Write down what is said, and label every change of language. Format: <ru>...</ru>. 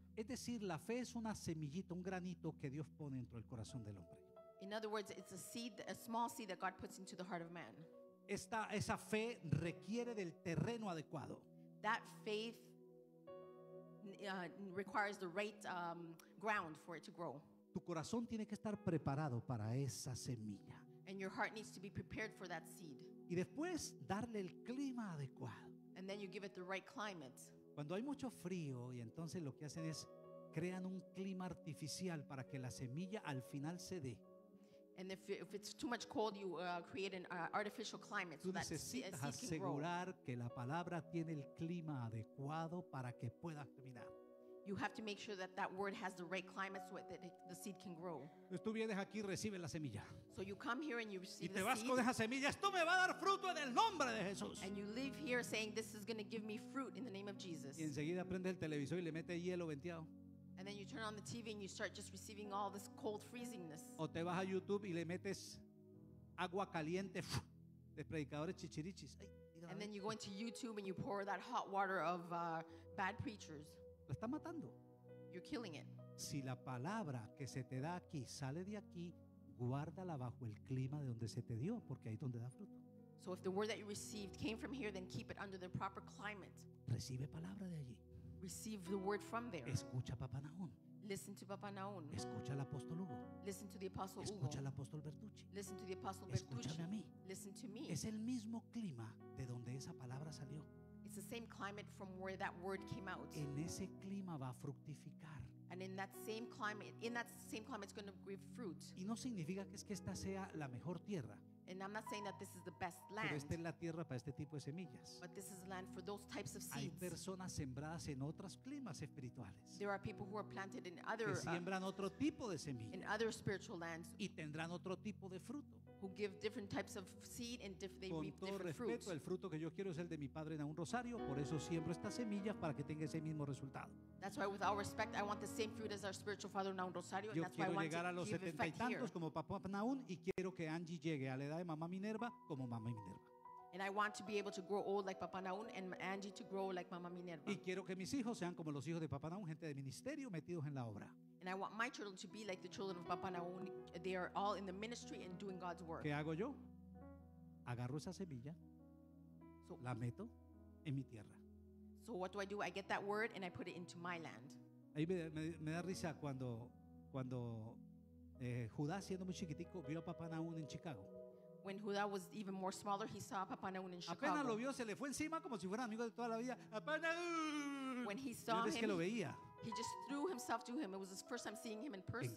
<es>Es decir, la fe es una semillita, un granito que Dios pone dentro del corazón del hombre.</es> <en>In other words, it's a small seed that God puts into the heart of man.</en> <es>Esa fe requiere del terreno adecuado.</es> <en>That faith requires the right ground for it to grow.</en> <es>Tu corazón tiene que estar preparado para esa semilla.</es> <en>And your heart needs to be prepared for that seed.</en> <es>Y después darle el clima adecuado.</es> <en>And then you give it the right climate.</en> <es>Cuando hay mucho frío y entonces lo que hacen es crean un clima artificial para que la semilla al final se dé.</es> <en>And if it's too much cold, you create an artificial climate so that seed can grow.</en> <es>Tú necesitas asegurar que la palabra tiene el clima adecuado para que pueda germinar.</es> <en>You have to make sure that word has the right climate so that the seed can grow.</en> <es>Tú vienes aquí y recibes la semilla.</es> <en>So you come here and you receive the seed.</en> <es>Y te vas con esa semilla. Esto me va a dar fruto en el nombre de Jesús.</es> <en>And you leave here saying this is going to give me fruit in the name of Jesus.</en> <es>Y enseguida prende el televisor y le mete hielo venteado.</es> <en>And then you turn on the TV and you start just receiving all this cold freezingness.</en> <es>O te vas a YouTube y le metes agua caliente de predicadores chichirichis.</es> <en>And then you go into YouTube and you pour that hot water of bad preachers.</en> <es>La está matando.</es> <en>You're killing it.</en> <es>Si la palabra que se te da aquí sale de aquí, guárdala bajo el clima de donde se te dio, porque ahí es donde da fruto.</es> <en>So if the word that you received came from here, then keep it under the proper climate.</en> <es>Recibe palabra de allí.</es> <en>Receive the word from there.</en> <es>Escucha a Papa Nahum.</es> <en>Listen to Papa Nahum.</en> <es>Escucha al apóstol Hugo.</es> <en>Listen to the apostle Hugo.</en> <es>Escucha al apóstol Bertucci.</es> <en>Listen to the apostle Bertucci.</en> <es>Escúchame a mí.</es> <en>Listen to me.</en> <es>Es el mismo clima de donde esa palabra salió.</es> <en>It's the same climate from where that word came out.</en> <es>En ese clima va a fructificar.</es> <en>And in that same climate, it's going to give fruit.</en> <es>Y no significa que es que esta sea la mejor tierra.</es> <en>And I'm not saying that this is the best land.</en> <es>Pero esta es la tierra para este tipo de semillas.</es> <en>But this is land for those types of seeds.</en> <es>Hay personas sembradas en otros climas espirituales.</es> <en>There are people who are planted in other.</en> <es>Que siembran otro tipo de semillas.</es> <en>In other spiritual lands.</en> <es>Y tendrán otro tipo de fruto.</es> <en>Who give different types of seed and they reap different fruits.</en> <es>Con todo respeto, el fruto que yo quiero es el de mi padre en un rosario, por eso siembro estas semillas para que tenga ese mismo resultado.</es> <en>That's why, with all respect, I want the same fruit as our spiritual father in Aún Rosario.</en> <es>Yo</es> <en>and that's</en> <es>quiero</es> <en>why</en> <es>llegar</es> <en>I want</en> <es>a los 70 y tantos</es> <en>here.</en> <es>Como Papá Nahum y quiero que Angie llegue a la edad de Mamá Minerva como Mamá Minerva.</es> <en>And I want to be able to grow old like Papá Nahum and Angie to grow like Mamá Minerva.</en> <es>Y quiero que mis hijos sean como los hijos de Papá Nahum, gente de ministerio metidos en la obra.</es> <en>And I want my children to be like the children of Papá Nahum. They are all in the ministry and doing God's work.</en> <es>¿Qué hago yo? Agarro esa semilla, la meto en mi tierra.</es> <en>So what do? I get that word and I put it into my land.</en> <es>Ahí me da risa cuando Judá, siendo muy chiquitico, vio a Papá Nahum en Chicago.</es> <en>When Judá was even more smaller, he saw Papá Nahum in Chicago.</en> <es>Apenas lo vio, se le fue encima como si fuera amigo de toda la vida. Papá Nahum.</es> <en>When he saw him,</en> <es>que lo veía.</es> <en>He just threw himself to him. It was his first time seeing him in person.</en>